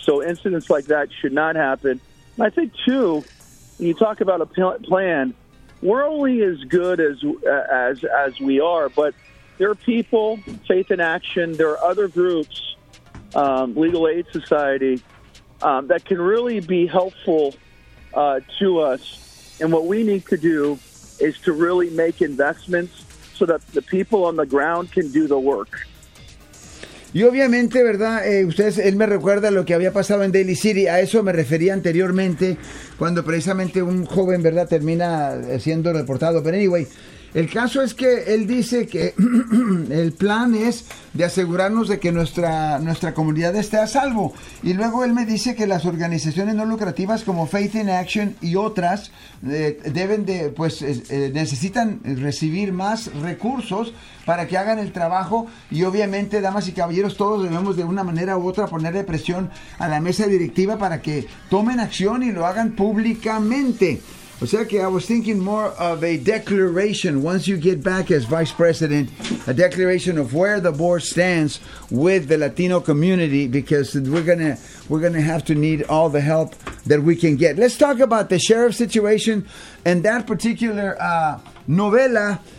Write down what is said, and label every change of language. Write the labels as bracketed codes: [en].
[en] So incidents like that should not happen. And I think, too, when you talk about a plan, we're only as good as we are, but there are people, Faith in Action, there are other groups, Legal Aid Society, that can really be helpful to us. And what we need to do is to really make investments so that the people on the ground can do the work. [es] Y obviamente, ¿verdad? Ustedes, él me recuerda lo que había pasado en Daly City. A eso me refería anteriormente, cuando precisamente un joven, ¿verdad?, termina siendo reportado. Pero anyway, el caso es que él dice que el plan es de asegurarnos de que nuestra comunidad esté a salvo. Y luego él me dice que las organizaciones no lucrativas como Faith in Action y otras necesitan recibir más recursos para que hagan el trabajo. Y obviamente, damas y caballeros, todos debemos de una manera u otra ponerle presión a la mesa directiva para que tomen acción y lo hagan públicamente. O sea que [en] I was thinking more of a declaration once you get back as vice president, a declaration of where the board stands with the Latino community, because we're gonna have to need all the help that we can get. Let's talk about the sheriff situation and that particular novela.